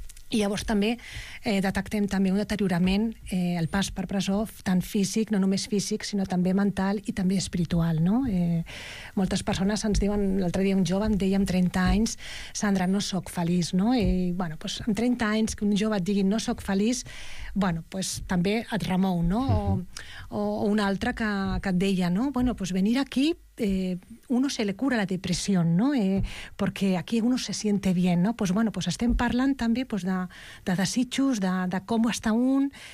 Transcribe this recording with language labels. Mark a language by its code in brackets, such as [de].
[ca] I llavors també detectem també un deteriorament, el pas per presó, tant físic, no només físic, sinó també mental i també espiritual, no? Moltes persones ens diuen, l'altre dia un jove em deia amb 30 anys, Sandra, no sóc feliç, no? I, bueno, doncs, amb 30 anys que un jove et digui no sóc feliç, bueno, doncs, també et remou, no? O un altre que et deia, no? [es] Bueno, [ca] doncs venir aquí, [es] uno se le cura la depresión, ¿no? Porque aquí uno se siente bien, ¿no? Pues bueno, [ca] pues estem parlant també pues, de desitjos, de com està un...